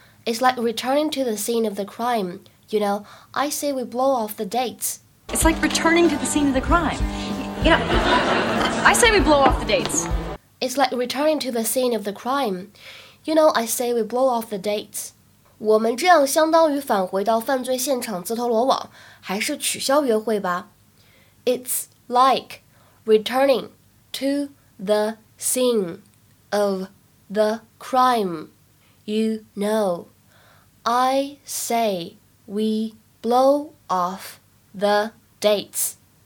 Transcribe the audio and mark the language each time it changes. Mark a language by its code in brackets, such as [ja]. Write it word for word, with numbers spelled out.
[en] It's like returning to the scene of the crime. You know, I say we blow off the dates. It's like returning to the scene of the crime. You know, I say we blow off the dates. It's like returning to the scene of the crime. You know, I say we blow off the dates. [zh] 我们这样相当于返回到犯罪现场自投罗网，还是取消约会吧。 [en] It's like returning to the scene of the crime. You know, I say we blow off the dates.